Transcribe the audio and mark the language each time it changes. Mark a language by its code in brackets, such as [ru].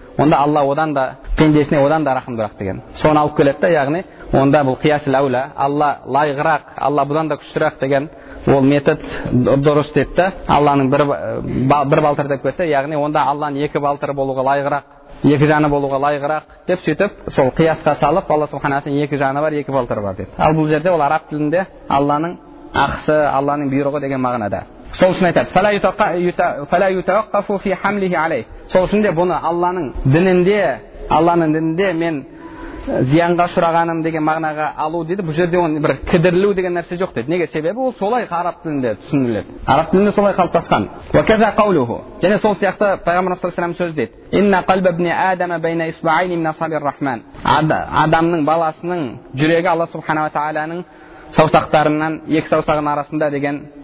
[kk] Онда алла одан да пендесіне одан да рахымдырақ деген соны алып келеді да, яғни онда бұл қиясул әуля, алла лайығырақ, алла бұдан да күштірақ деген ол метод дұрыс деді да, алланың бір балтыры деп көрсе, яғни онда алланың екі балтыры болуға лайығырақ, екі жаны болуға лайығырақ деп сөйтіп сол қиясқа салып, алла субхананың екі жаны бар, екі балтыры бар деді. Ал бұл жерде ол араб тілінде алланың ақысы, алланың бұйрығы деген мағынада. Сол үшін айтады, [ar] فلا يتوقف في حمله عليه. [kk] Сол үшін де бұны Алланың дінінде мен зиянға ұшырағаным деген мағынаға алу дейді. Бұл жерде оның бір кідірілу деген нәрсе жоқ дейді. Неге? Себебі ол солай араб тілінде түсініледі. Араб тілінде солай қалыптасқан. [ar] وكذا قوله. [kk] Және сол сияқты пайғамбар саллаллаху алейхи вассалам сөз дейді. [ar] إن قلب ابن آدم بين إصبعين من أصابع الرحمن. [kk] Адамның баласының жүрегі Алла субхана ва тааланың саусақтарынан екі саусағының арасында деген